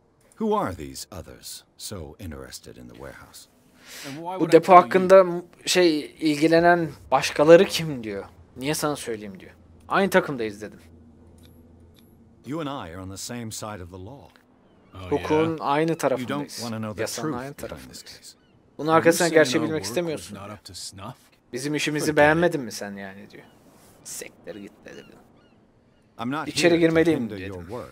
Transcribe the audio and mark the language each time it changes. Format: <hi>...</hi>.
<en>Who are these others so interested in the warehouse?</en> <tr>Bu depo hakkında şey ilgilenen başkaları kim diyor? Niye sana söyleyeyim diyor. Aynı takımdayız dedim.</tr> <en>You and I are on the same side of the law.</en> <tr>Hukukun aynı tarafındayız. Yasanın aynı tarafındayız. Bunun arkasına gerçeği bilmek istemiyorsun. Diyor. Bizim işimizi beğenmedin mi sen yani diyor. Sektör git dedim. İçeri girmeliyim dedim.</tr>